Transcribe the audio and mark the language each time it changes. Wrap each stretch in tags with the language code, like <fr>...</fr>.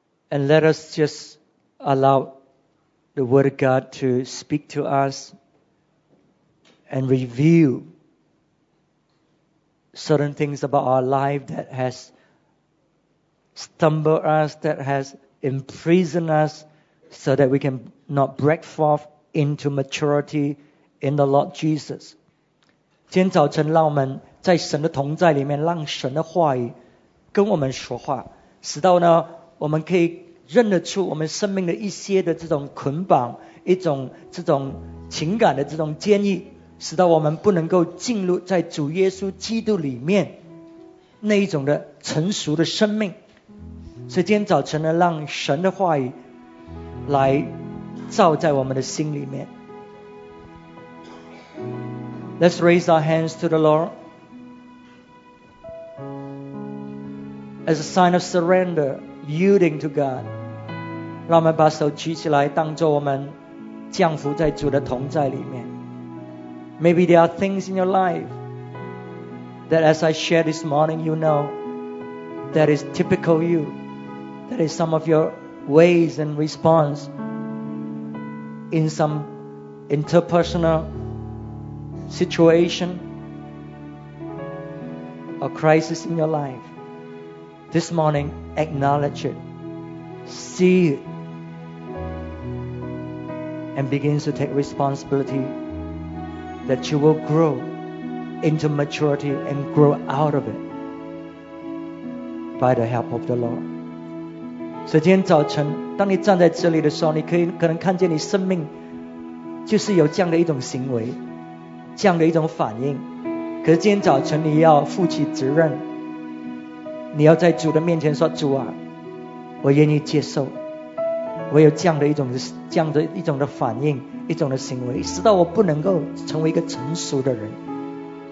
<en>And let us just allow the Word of God to speak to us and reveal certain things about our life that has stumbled us, that has imprisoned us, so that we can not break forth into maturity in the Lord Jesus.</en> <zh>今天早晨，让我们在神的同在里面，让神的话语跟我们说话，使到呢，我们可以认得出我们生命的一些的这种捆绑，一种这种情感的这种坚毅，使到我们不能够进入在主耶稣基督里面那一种的成熟的生命。所以今天早晨呢，让神的话语来照在我们的心里面。</zh> <en>Let's raise our hands to the Lord as a sign of surrender, yielding to God.</en> <zh>让我们把手举起来，当作我们降服在主的同在里面。</zh> <en>Maybe there are things in your life that as I share this morning, you know that is typical you, that is some of your ways and response in some interpersonal situation or crisis in your life. This morning, acknowledge it, see it, and begin to take responsibility that you will grow into maturity and grow out of it by the help of the Lord.</en> <zh>所以今天早晨，当你站在这里的时候，你可以可能看见你生命就是有这样的一种行为，这样的一种反应。可是今天早晨，你要负起责任，你要在主的面前说：“主啊，我愿意接受，我有这样的一种反应，一种的行为，使到我不能够成为一个成熟的人。”</zh>